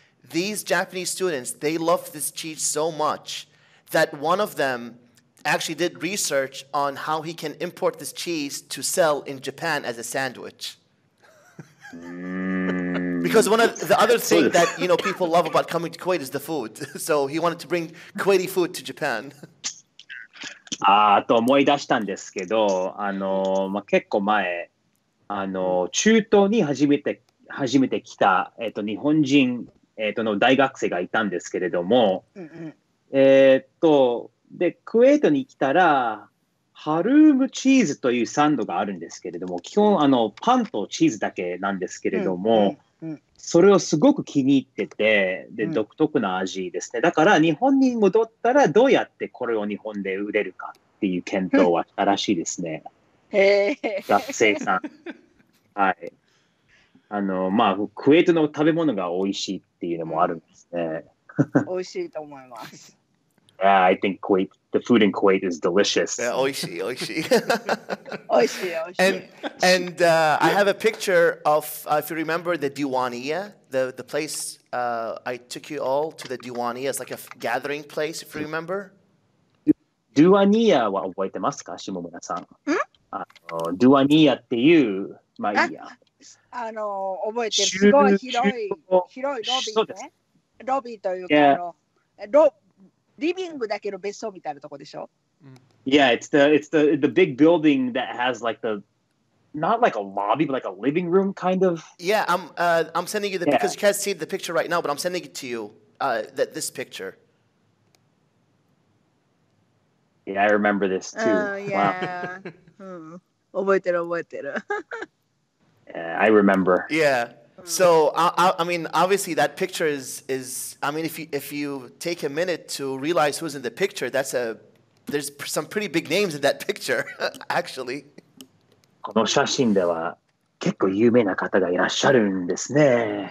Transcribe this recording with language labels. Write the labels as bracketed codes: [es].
[en] These Japanese students, they love this cheese so much that one of them actually did research on how he can import this cheese to sell in Japan as a sandwich. Because one of the other thing that you know people love about coming to Kuwait is the food. So he wanted to bring Kuwaiti food to Japan. [ja] ああと思い出したんですけど、まあ、結構前、中東に初めて来た、日本人、の大学生がいたんですけれども、でクウェートに来たら。ハルームチーズというサンドがあるんですけれども、基本パンとチーズだけなんですけれども、それをすごく気に入ってて、で、独特な味ですね。だから日本に戻ったらどうやってこれを日本で売れるかっていう検討はしたらしいですね。学生さん。はい。まあ、クウェートの食べ物が美味しいっていうのもあるんですね。美味しいと思います。 [en] I think Kuwait, the food in Kuwait is delicious. [ja] Yeah, oishii, oishii. Oishii, oishii. [en] And I have a picture of, if you remember, the Diwaniya, the place I took you all to the Diwaniya. It's like a gathering place, if you remember. [ja] Diwaniya wa oboete masu ka, Shimomura-san? Diwaniya っていう、まあいいや。あの、覚えてる。すごい広い、広いロビーね。ロビーというか、 [en] yeah. [ja] リビングだけど別荘みたいなとこでしょ。 [en] Yeah, it's the big building that has like the, not like a lobby, but like a living room kind of. Yeah, I'm sending you the, because you can't see the picture right now, but I'm sending it to you, this picture. Yeah, I remember this too. [ja] Yeah. Wow. 覚えてる覚えてる。 [en] I remember. Yeah. So I mean, obviously, that picture is. I mean, if you take a minute to realize who's in the picture, there's some pretty big names in that picture, actually. [ja] この写真では結構有名な方がいらっしゃるんですね。